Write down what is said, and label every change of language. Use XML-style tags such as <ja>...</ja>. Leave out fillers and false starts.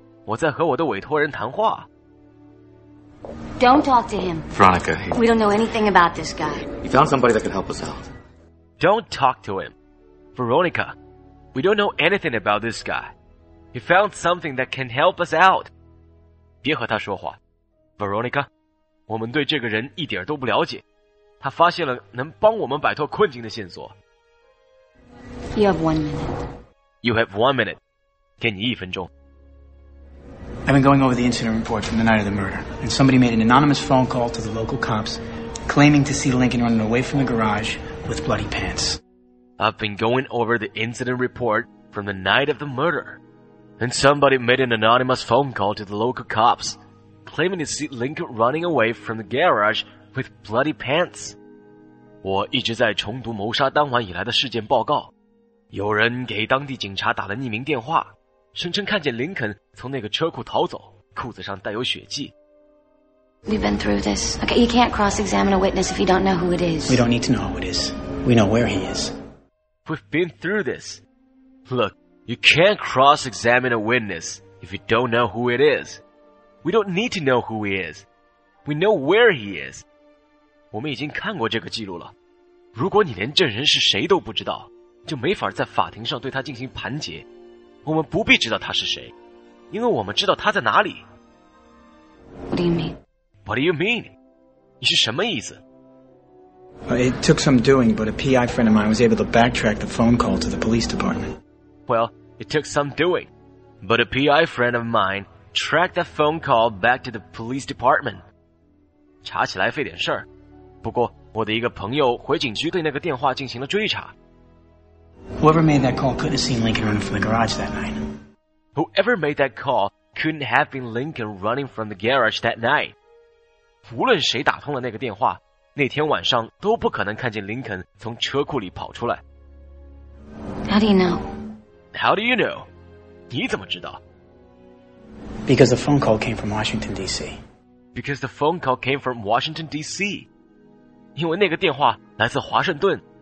<zh>我在和我的委托人谈话。</zh> <en>Don't talk to him. Veronica, we don't know anything about this guy. He found somebody that could help us out. Don't talk to him. Veronica, we don't know anything about this guy. He found something that can help us out.</en> <zh>别和他说话。Veronica, 我们对这个人一点都不了解。他发现了能帮我们摆脱困境的线索。</zh> <en>You have 1 minute. You have 1 minute.</en> <zh>给你一分钟。</zh> <en>I've been going over the incident report from the night of the murder, and somebody made an anonymous phone call to the local cops, claiming to see Lincoln running away from the garage with bloody pants. I've been going over the incident report from the night of the murder, and somebody made an anonymous phone call to the local cops, claiming to see Lincoln running away from the garage. With bloody pants.</en> <zh>我一直在重读谋杀当晚以来的事件报告。有人给当地警察打了匿名电话，声称看见林肯从那个车库逃走，裤子上带有血迹。</zh> <en>We've been through this. Okay, you can't cross-examine a witness if you don't know who it is. We don't need to know who it is. We know where he is. We've been through this. Look, you can't cross-examine a witness if you don't know who it is. We don't need to know who he is. We know where he is.</en> <zh>我们已经看过这个记录了。如果你连证人是谁都不知道，就没法在法庭上对他进行盘结。我们不必知道他是谁，因为我们知道他在哪里。</zh> <en>What do you mean? What do you mean?</en> <zh>你是什么意思？</zh> <en>It took some doing, but a PI friend of mine was able to backtrack the phone call to the police department. Well, it took some doing, but a PI friend of mine tracked that phone call back to the police department.</en> <zh>查起来费点事儿，不过我的一个朋友回警局对那个电话进行了追查。</zh> <en>Whoever made that call couldn't have seen Lincoln running from the garage that night. Whoever made that call couldn't have been Lincoln running from the garage that night.</en> <zh>无论谁打通了那个电话，那天晚上都不可能看见林肯从车库里跑出来。</zh> <en>How do you know? How do you know?</en> <zh>你怎么知道？</zh> <en>Because the phone call came from Washington, D.C. Because the phone call came from Washington, D.C.</en> <zh>因为那个电话来自华盛顿。</zh>